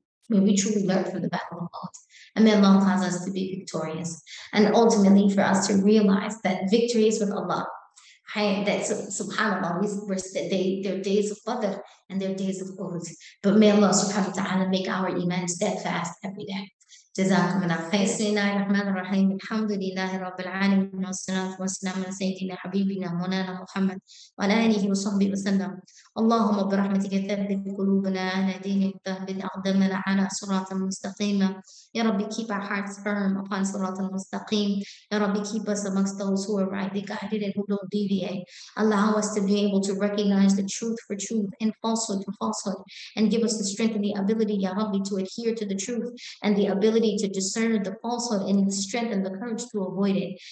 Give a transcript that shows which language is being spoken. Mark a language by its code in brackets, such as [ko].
[en] May we truly learn from the battle of Uhud. And may Allah cause us to be victorious. And ultimately for us to realize that victory is with Allah. Right? That subhanAllah, there are days of Badr and there are days of Uhud. But may Allah subhanahu wa ta'ala make our iman steadfast every day. [ar] جزاكم الله خير. بسم الله الرحمن الرحيم. الحمد لله رب العالمين والصلاة والسلام على سيدنا حبيبنا مولانا محمد وعلى آله وصحبه وسلم. اللهم برحمتك ثبت قلوبنا على دينك، ثبت أقدامنا على صراط المستقيم. يا رب [en] keep our hearts firm upon [ar] صراط المستقيم. يا رب [en] keep us amongst those who are rightly guided and who don't deviate. Allow us to be able to recognize the truth for truth and falsehood for falsehood, and give us the strength and the ability, [ar] يا رب, [en] to adhere to the truth and the ability to discern the falsehood and the strength and the courage to avoid it.